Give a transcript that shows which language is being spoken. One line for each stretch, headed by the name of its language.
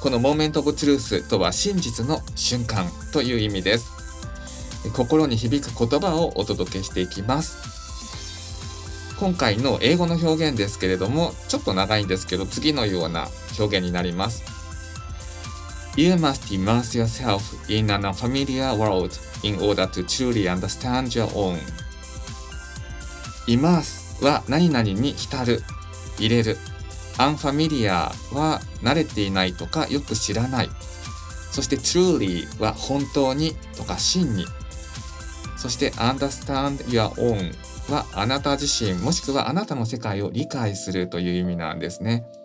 Japanese: このモーメントオブトゥルースとは、真実の瞬間という意味です。心に響く言葉をお届けしていきます。今回の英語の表現ですけれども、ちょっと長いんですけど、次のような表現になります。
English: You must immerse yourself in an unfamiliar world in order to truly understand your own.
Japanese: Immerse は何々に浸る、入れる。 Unfamiliar は慣れていないとかよく知らない。そして truly は本当にとか真に。そして understand your own はあなた自身、もしくはあなたの世界を理解するという意味なんですね。